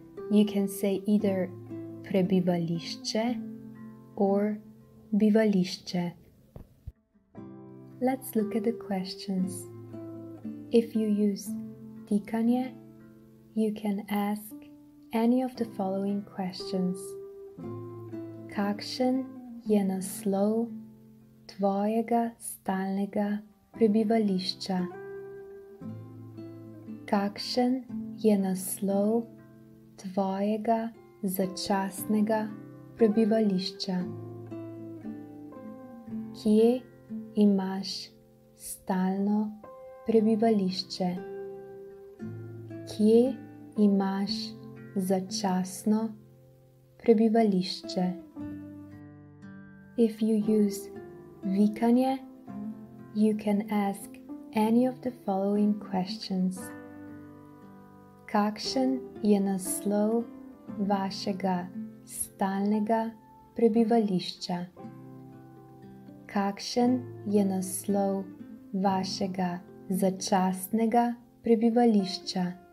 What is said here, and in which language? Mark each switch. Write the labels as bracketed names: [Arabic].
[English] You can say either prebivališče or bivališče. Let's look at the questions. If you use dikanje, you can ask any of the following questions. [Slovenian] Kakšen je naslov tvojega stalnega prebivališča? Kakšen je naslov tvojega začasnega prebivališča? Kje imaš stalno prebivališče? Kje imaš začasno prebivališče? [English] If you use vikanje, you can ask any of the following questions. [Slovenian] Kakšen je naslov vašega stalnega prebivališča? Kakšen je naslov vašega začasnega prebivališča?